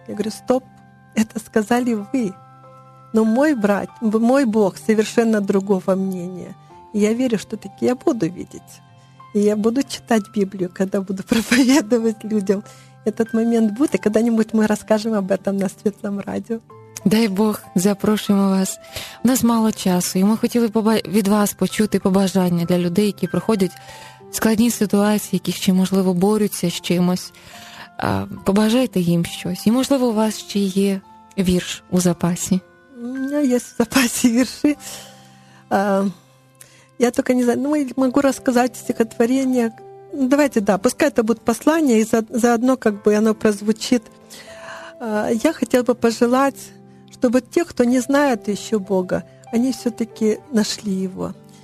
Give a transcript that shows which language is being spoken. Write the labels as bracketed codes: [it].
[ru] Я говорю, стоп, это сказали вы. Но мой брат, мой Бог совершенно другого мнения. И я верю, что таки я буду видеть. И я буду читать Библию, когда буду проповедовать людям. Этот момент будет, и когда-нибудь мы расскажем об этом на Светлом радио. [uk] Дай Бог, запрошуємо вас. У нас мало часу, і ми хотіли від вас почути побажання для людей, які проходять складні ситуації, які ще, можливо, борються з чимось. Побажайте їм щось. І, можливо, у вас ще є вірш у запасі. [ru] У меня есть в запасе верши. Я только не знаю. Ну, я могу рассказать стихотворение. Давайте, да, пускай это будет послание, и заодно как бы оно прозвучит. Я хотела бы пожелать, чтобы те, кто не знает еще Бога, они все-таки нашли Его.